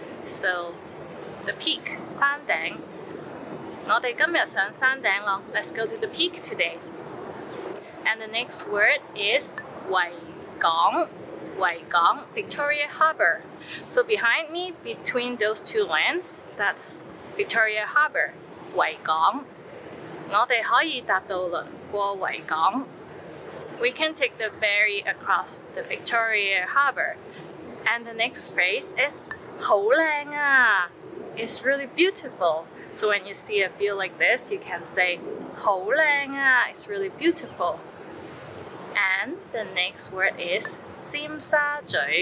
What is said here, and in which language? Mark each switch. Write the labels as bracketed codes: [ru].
[en] So the peak, [yue] 山顶.我们今天上山顶了. [en] Let's go to the peak today. And the next word is [yue] 维港. [en] 维港, Victoria Harbour. So behind me, between those two lands, that's Victoria Harbour, [yue] 维港. 我们可以搭渡轮过维港. [en] We can take the ferry across the Victoria Harbour. And the next phrase is [yue] 好靓啊. [en] It's really beautiful. So when you see a view like this, you can say [yue] 好靓啊. [en] It's really beautiful. And the next word is 尖沙咀.